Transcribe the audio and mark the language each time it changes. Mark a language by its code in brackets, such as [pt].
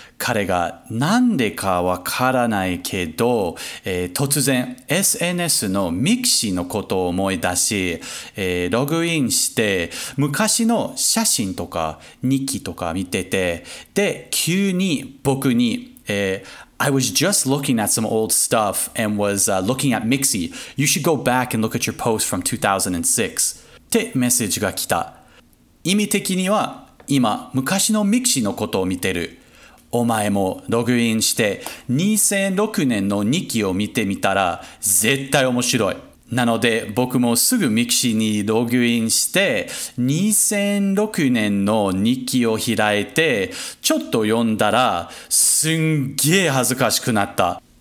[ja] 彼がなんでかわからないけど、突然 SNS のミクシーのことを思い出し、ログインして昔の写真とか日記とか見てて、で急に僕に、 [en] I was just looking at some old stuff and was looking at Mixi. You should go back and look at your post from 2006. [ja] ってメッセージが来た。意味的には今昔の Mixi のことを見てる。お前もログインして2006年の日記を見てみたら絶対面白い。なので僕もすぐ Mixi にログインして2006年の日記を開いてちょっと読んだらすんげー恥ずかしくなった。